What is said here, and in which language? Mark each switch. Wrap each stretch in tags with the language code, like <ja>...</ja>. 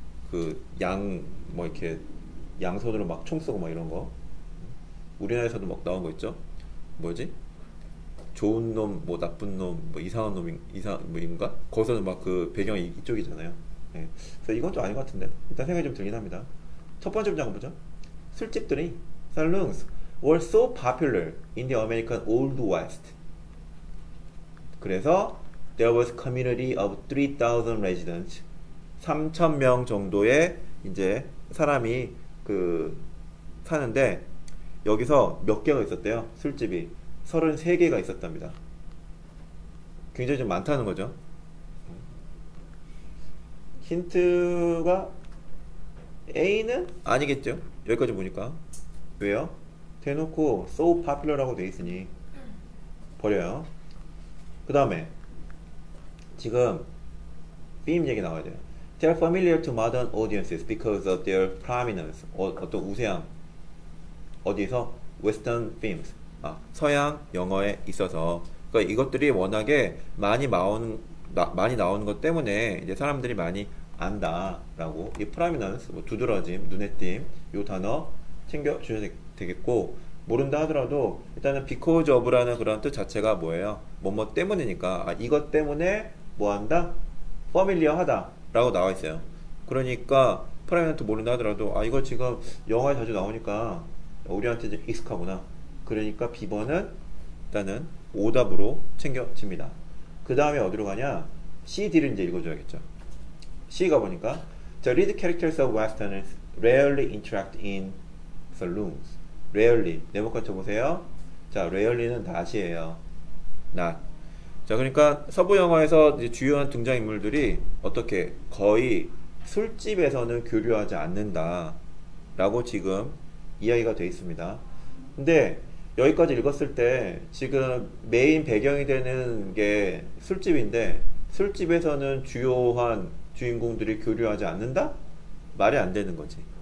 <ko>그 양 뭐 이렇게 양손으로 막 총 쏘고 막 이런 거. 우리나라에서도 막 나온 거 있죠? 뭐지? 좋은 놈, 뭐 나쁜 놈, 뭐 이상한 놈인, 이상한 놈인가? 거기서는 막 그 배경이 이쪽이잖아요. 예. 그래서 이건 좀 아닌 것 같은데. 일단 생각이 좀 들긴 합니다. 첫 번째 문장은 뭐죠? 술집들이,</ko> <en>saloons were so popular in the American Old West. 그래서 there was a community of 3,000 residents.</en> <ko>3,000명 정도의 이제 사람이 그 사는데, 여기서 몇 개가 있었대요? 술집이 33개가 있었답니다. 굉장히 좀 많다는 거죠. 힌트가 A는 아니겠죠. 여기까지 보니까 왜요? 대놓고</ko> <en>so popular</en> <ko>라고 돼 있으니 버려요. 그 다음에 지금 theme 얘기 나와야 돼요.</ko> <en>They are familiar to modern audiences because of their prominence.</en> <ko>어떤 우세함 어디서?</ko> <en>Western themes.</en> <ko>아, 서양 영어에 있어서. 그러니까 이것들이 워낙에 많이 나오는 것 때문에 이제 사람들이 많이 안다. 라고. 이 prominence, 뭐 두드러짐, 눈에 띔, 요 단어 챙겨주셔야 되겠고, 모른다 하더라도 일단은</ko> <en>because of</en> <ko>라는 그런 뜻 자체가 뭐예요? 뭐뭐 때문이니까. 아, 이것 때문에 뭐 한다? familiar 하다. 라고 나와 있어요. 그러니까 prominent 모른다 하더라도, 아, 이거 지금 영화에 자주 나오니까 우리한테 좀 익숙하구나. 그러니까 B번은 일단은 오답으로 챙겨집니다. 그 다음에 어디로 가냐? C, D를 이제 읽어줘야겠죠. C가 보니까</ko> <en>The lead characters of Westerners rarely interact in saloons.</en> <ko>Rarely. 네모칸 쳐보세요. 자, rarely는 not이에요.</ko> <en>Not.</en> <ko>자, 그러니까 서부 영화에서 이제 주요한 등장인물들이 어떻게 거의 술집에서는 교류하지 않는다. 라고 지금 이야기가 되어 있습니다. 근데 여기까지 읽었을 때 지금 메인 배경이 되는 게 술집인데 술집에서는 주요한 주인공들이 교류하지 않는다? 말이 안 되는 거지.</ko>